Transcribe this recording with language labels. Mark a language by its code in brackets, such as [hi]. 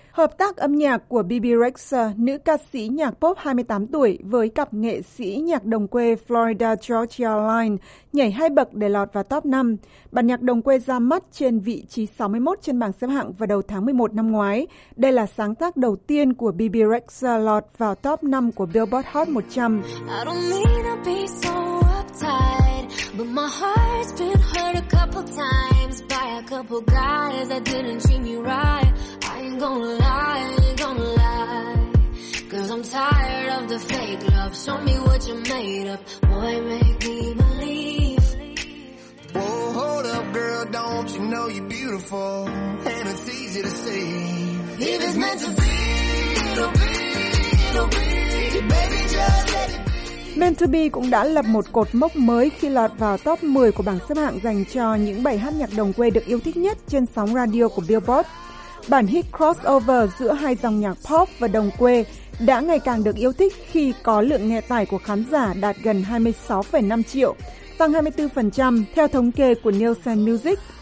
[vi] Hợp tác âm nhạc của Bebe Rexha, nữ ca sĩ nhạc pop 28 tuổi với cặp nghệ sĩ nhạc đồng quê Florida Georgia Line nhảy hai bậc để lọt vào top 5. Bản nhạc đồng quê ra mắt trên vị trí 61 trên bảng xếp hạng vào đầu tháng 11 năm ngoái. Đây là sáng tác đầu tiên của Bebe Rexha lọt vào top 5 của Billboard Hot 100. [en] I don't mean to be so uptight, but my heart's been hurt a couple times by a couple guys that didn't treat me right. I ain't gonna lie, cause I'm tired of the fake love. Show me what you made up, boy, make me believe. Whoa, hold up, girl, don't you know you're beautiful, and it's easy to see. If it's meant to be, it'll be, baby, just let it. [vi] Meant to Be cũng đã lập một cột mốc mới khi lọt vào top 10 của bảng xếp hạng dành cho những bài hát nhạc đồng quê được yêu thích nhất trên sóng radio của Billboard. Bản hit crossover giữa hai dòng nhạc pop và đồng quê đã ngày càng được yêu thích khi có lượng nghe tải của khán giả đạt gần 26,5 triệu, tăng 24% theo thống kê của Nielsen Music.